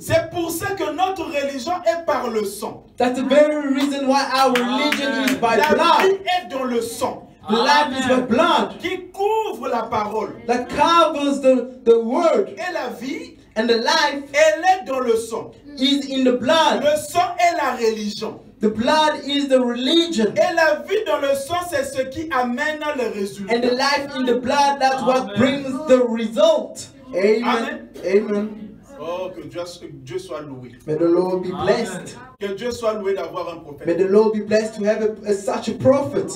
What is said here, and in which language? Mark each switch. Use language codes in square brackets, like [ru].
[fr] C'est pour ça que notre religion est par le sang. [en] That's the very reason why our religion is by [fr] la [en] blood. [fr] La vie est dans le sang. [en] The life is the blood [fr] qui couvre la parole. [en] That covers the word. [fr] Et la vie, [en] and the life, [fr] elle est dans le sang. [en] Is in the blood. [fr] Le sang est la religion. [en] The blood is the religion. [fr] Et la vie dans le sang, c'est ce qui amène le résultat. [en] And the life in the blood, that's amen. What brings the result. Amen. [fr] Amen. Amen. Oh, que Dieu soit loué. [en] May the Lord be blessed. [fr] Amen. Que Dieu soit loué d'avoir un prophète. [en] May the Lord be blessed to have such a prophet.